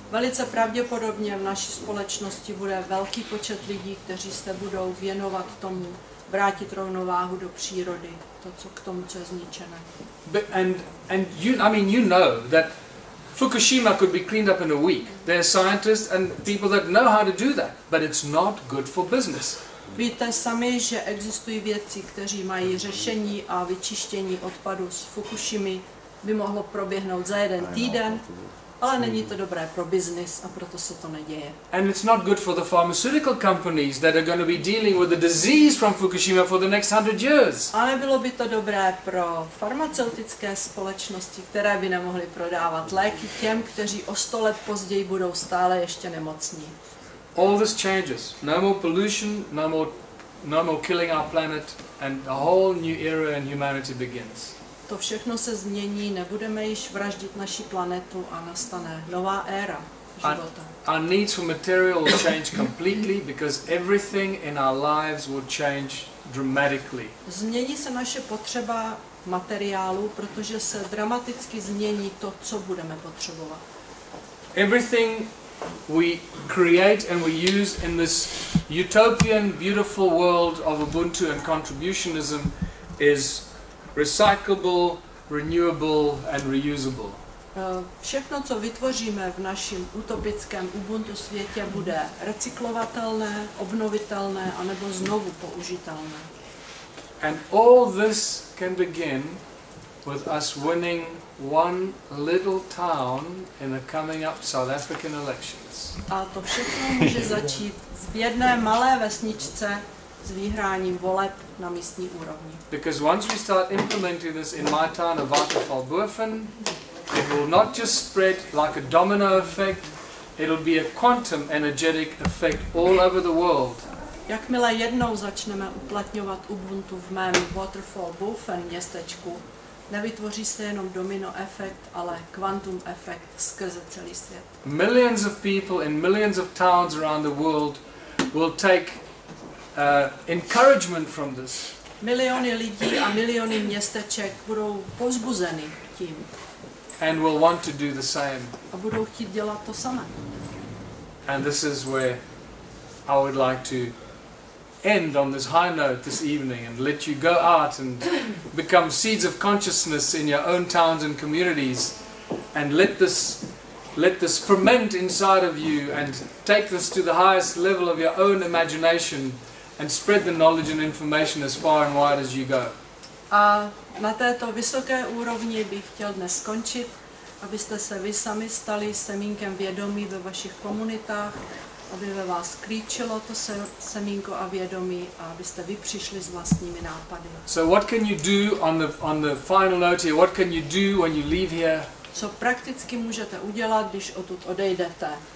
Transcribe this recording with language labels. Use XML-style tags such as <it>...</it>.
<cs>Velice pravděpodobně v naší společnosti bude velký počet lidí, kteří se budou věnovat tomu vrátit rovnováhu do přírody, to co k tomu co je zničené.</cs> <en>But you know that Fukushima could be cleaned up in a week. There are scientists and people that know how to do that, but it's not good for business.</en> <cs>Víte sami, že existují vědci, kteří mají řešení a vyčištění odpadu z Fukushimy, by mohlo proběhnout za jeden týden, ale není to dobré pro biznis a proto se to neděje.</cs> <en>And it's not good for the pharmaceutical companies that are going to be dealing with the disease from Fukushima for the next 100 years.</en> <cs>A nebylo by to dobré pro farmaceutické společnosti, které by nemohly prodávat léky těm, kteří o 100 let později budou stále ještě nemocní.</cs> <en>All this changes. No more pollution, no more killing our planet, and a whole new era in humanity begins.</en> <cs>To všechno se změní, nebudeme již vraždit naši planetu a nastane nová éra života.</cs> <en>Our needs for material will change completely because everything in our lives will change dramatically.</en> <cs>Změní se naše potřeba materiálu, protože se dramaticky změní to, co budeme potřebovat.</cs> <en>Everything we create and we use in this utopian, beautiful world of Ubuntu and contributionism is recyclable, renewable and reusable.</en> <cs>Všechno, co vytvoříme v našem utopickém Ubuntu světě, bude recyklovatelné, obnovitelné anebo znovu použitelné.</cs> <en>And all this can begin with us winning one little town in the coming up South African elections.</en> <cs>A to všechno může začít z jedné malé vesničce s vyhráním voleb na místní úrovni.</cs> <en>Because once we start implementing this in my town of Waterfallburfen, it will not just spread like a domino effect, it'll be a quantum energetic effect all over the world.</en> <cs>Jakmile jednou začneme uplatňovat Ubuntu v mém Waterfallburfen městečku, nevytvoří se jenom domino efekt, ale kvantum efekt skrze celý svět.</cs> <en>Millions of people in millions of towns around the world will take encouragement from this.</en> <cs>Miliony lidí a miliony městeček budou pozbuzeny tím.</cs> <en>And will want to do the same.</en> <cs>A budou chtít dělat to samé.</cs> <en>And this is where I would like to end on this high note this evening and let you go out and become seeds of consciousness in your own towns and communities and let this ferment inside of you and take this to the highest level of your own imagination and spread the knowledge and information as far and wide as you go.</en> <cs>A na této vysoké úrovni bych chtěl dnes skončit, abyste se vy sami stali semínkem vědomí ve vašich komunitách, aby ve vás klíčilo to semínko a vědomí a abyste vy přišli s vlastními nápady.</cs> <en>So what can you do on the final note here? What can you do when you leave here?</en> <cs>Co prakticky můžete udělat, když odtud odejdete?</cs>